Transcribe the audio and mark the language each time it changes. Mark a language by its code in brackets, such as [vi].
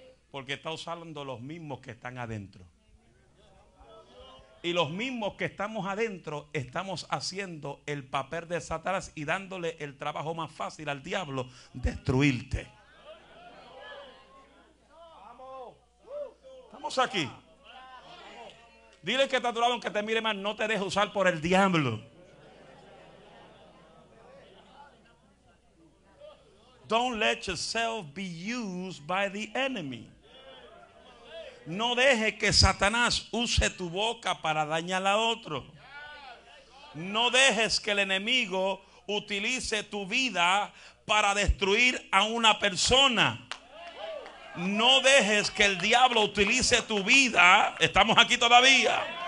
[es] Porque está usando los mismos que están adentro. Y los mismos que estamos adentro estamos haciendo el papel de Satanás y dándole el trabajo más fácil al diablo, destruirte. Estamos aquí. Dile que está a tu lado, aunque te mire mal, no te dejes usar por el diablo. [en] Don't let yourself be used by the enemy. [es] No deje que Satanás use tu boca para dañar a otro. No dejes que el enemigo utilice tu vida para destruir a una persona. No dejes que el diablo utilice tu vida. Estamos aquí todavía.